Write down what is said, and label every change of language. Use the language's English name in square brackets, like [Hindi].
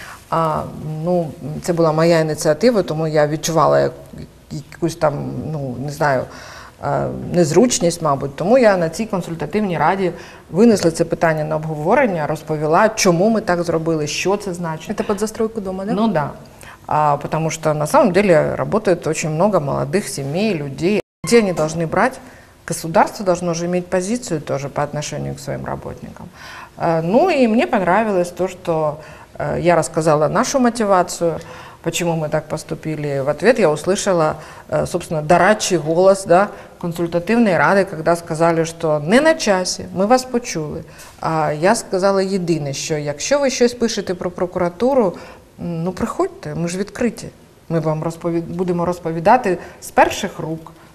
[Ukrainian] А, ну, це була моя ініціатива, тому я відчувала якусь там, ну, не знаю, незручність, мабуть. Тому я на цій консультативній раді винесла це питання на обговорення, розповіла, чому ми так зробили, що це значить. [Russian] Это под застройку дома, да? Ну, да. Потому что на самом деле работает очень много молодых семей, людей. Где они должны брать? Государство должно же иметь позицию тоже по отношению к своим работникам. Ну и мне понравилось то, что я рассказала нашу мотивацию, почему мы так поступили. В ответ я услышала, собственно, дорадчий голос, да, консультативной рады, когда сказали, что не на часе, мы вас почули. А я сказала единственное, что если вы что-то пишете про прокуратуру, ну, [Ukrainian] приходьте, ми ж відкриті. Ми вам будемо розповідати з перших рук.